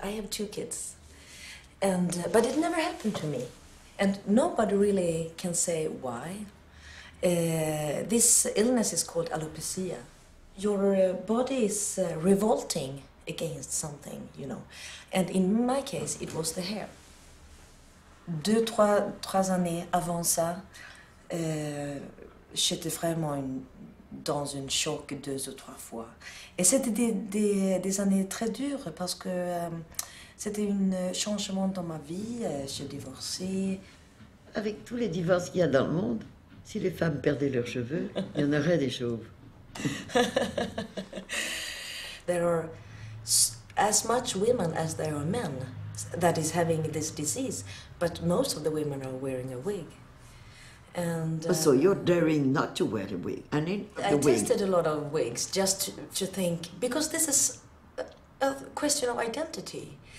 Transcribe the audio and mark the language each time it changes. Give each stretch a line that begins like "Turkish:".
English: I have 2 kids. But it never happened to me. And nobody really can say why. This illness is called alopecia. Your body is revolting against something, you know. And in my case, it was the hair.
French: Deux, trois années avant ça, j'étais vraiment dans un choc 2 ou 3 fois. Et c'était des années très dures parce que c'était un changement dans ma vie. J'ai divorcé. Avec tous les divorces qu'il y a dans le monde, si les femmes perdaient leurs cheveux, il y en aurait des chauves.
English: There are as much women as there are men that is having this disease, but most of the women are wearing a wig. And so you're daring not to wear a wig. And tested a lot of wigs just to think, because this is a question of identity.